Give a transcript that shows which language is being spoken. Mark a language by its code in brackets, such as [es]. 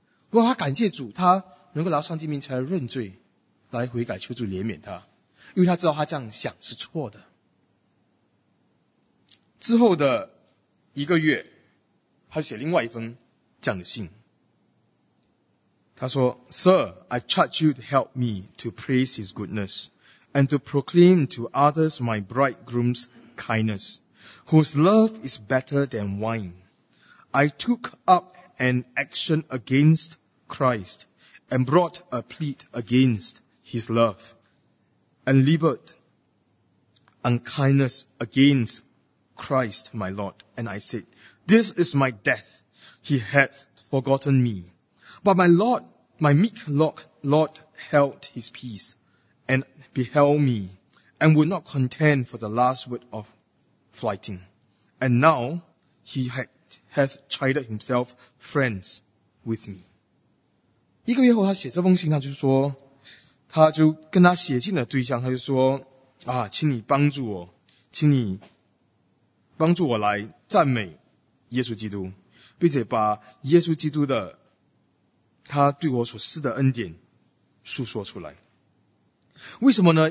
[zh] 不过他感谢主，他能够来上帝面前认罪，来悔改，求主怜悯他，因为他知道他这样想是错的。之后的一个月，他写另外一封这样的信。他说 [en] Sir, I charge you to help me to praise his goodness and to proclaim to others my bridegroom's kindness, whose love is better than wine. I took up an action against Christ and brought a plea against his love and labored unkindness against Christ my Lord, and I said, This is my death, he hath forgotten me. But my Lord, my meek Lord held his peace, and beheld me, and would not contend for the last word of flighting. And now he hath chided himself friends with me. [zh] 一个月后他写这封信，他就跟他写信的对象，他就说，啊，请你帮助我，请你帮助我来赞美耶稣基督，并且把耶稣基督的他对我所施的恩典诉说出来。为什么呢？